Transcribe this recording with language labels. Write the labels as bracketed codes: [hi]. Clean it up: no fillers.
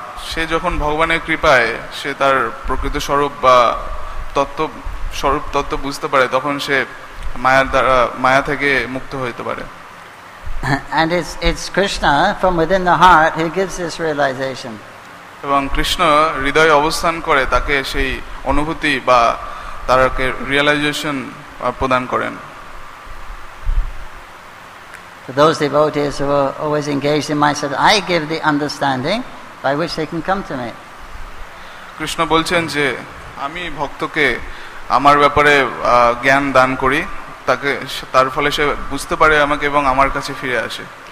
[bn] সে যখন ভগবানের কৃপায় সে তার প্রকৃত স্বরূপ বা তত্ত্ব স্বরূপ তত্ত্ব বুঝতে পারে তখন সে মায়ার দ্বারা, মায়া থেকে মুক্ত হইতে পারে। [en] And it's Krishna from within the heart who gives this realization. [bn] এবং কৃষ্ণ হৃদয়ে অবস্থান করে তাকে সেই অনুভূতি বা তারকে রিয়লাইজেশন প্রদান করেন। [en] So those devotees who are always engaged in my service, I give the understanding by which they can come to me. [bn] Krishna বলছেন যে আমি ভক্তকে আমার ব্যাপারে জ্ঞান দান করি, তাকে তার ফলে সে বুঝতে পারে আমাকে এবং আমার কাছে ফিরে আসে।